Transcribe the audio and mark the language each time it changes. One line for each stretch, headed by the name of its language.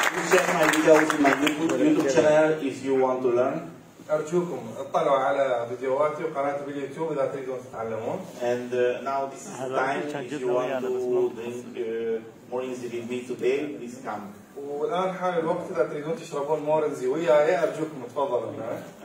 English: Check my videos in my YouTube channel if you want to learn.
Arabic: أرجوكم اطلعوا على فيديوهاتي وقناتي باليوتيوب إذا تريدون تتعلمون.
English: And now this is time if you want to drink Morinzi with me today, please come.
Arabic: والآن حان الوقت إذا تريدون تشربون مورينزي وياي أرجوكم تفضلوا هنا.